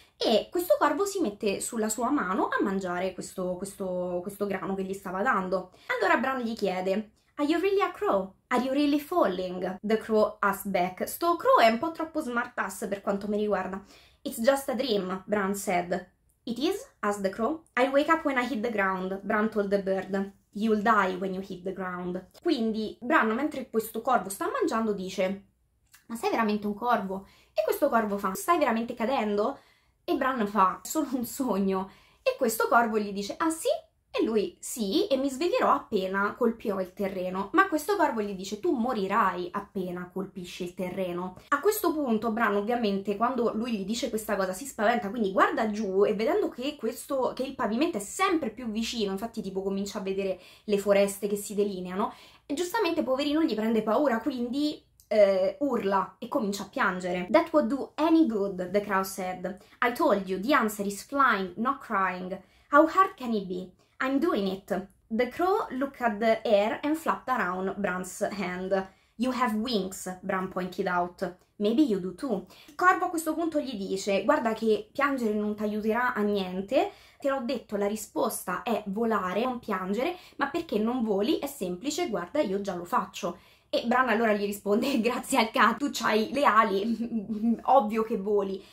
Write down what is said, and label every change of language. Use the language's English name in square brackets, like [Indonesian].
[Italian] E questo corvo si mette sulla sua mano a mangiare questo grano che gli stava dando. Allora Bran gli chiede: [English] "Are you really a crow? Are you really falling?" The crow asked back. [Italian] Sto crow è un po' troppo smartass per quanto mi riguarda. [English] "It's just a dream," Bran said. "It is?" asked the crow. "I'll wake up when I hit the ground," Bran told the bird. "You'll die when you hit the ground." [Italian] Quindi Bran, mentre questo corvo sta mangiando, dice: "Ma sei veramente un corvo?" E questo corvo fa: "Stai veramente cadendo?" E Bran fa: "Solo un sogno." E questo corvo gli dice: "Ah sì? E lui, sì, e mi sveglierò appena colpirò il terreno. Ma questo corvo gli dice: tu morirai appena colpisci il terreno. A questo punto, Bran, ovviamente, quando lui gli dice questa cosa, si spaventa, quindi guarda giù e vedendo che il pavimento è sempre più vicino, infatti, tipo, comincia a vedere le foreste che si delineano. E giustamente, poverino, gli prende paura, quindi urla e comincia a piangere. [English] That would do any good, the crow said. I told you, the answer is flying, not crying. How hard can it be? I'm doing it. The crow looked at the air and flapped around Bran's hand. You have wings, Bran pointed out. Maybe you do too. [Italian] Il corvo a questo punto gli dice: guarda che piangere non ti aiuterà a niente. Te l'ho detto, la risposta è volare, non piangere, ma perché non voli è semplice, guarda, io già lo faccio. E Bran allora gli risponde: grazie al cazzo, tu c'hai le ali, ovvio che voli.